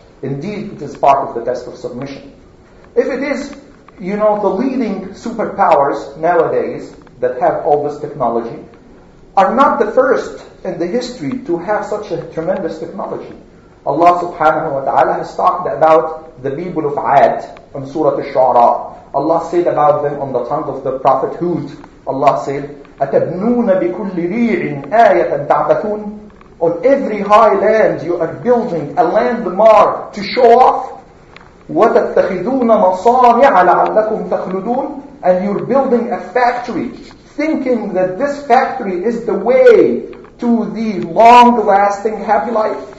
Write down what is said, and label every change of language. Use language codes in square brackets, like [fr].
[en] Indeed, it is part of the test of submission. If it is, the leading superpowers nowadays that have all this technology are not the first in the history to have such a tremendous technology. Allah subhanahu wa ta'ala has talked about the people of Ad on Surah Al-Shu'ara. Allah said about them on the tongue of the Prophet Hud. Allah said, [ar] أَتَبْنُونَ بِكُلِّ رِيعٍ آيَةً تَعْبَثُونَ. [en] On every high land you are building a landmark to show off. [ar] وَتَتَّخِذُونَ مَصَانِعَ لَعَلَّكُمْ تَخْلُدُونَ. [en] And you're building a factory, thinking that this factory is the way to the long-lasting happy life.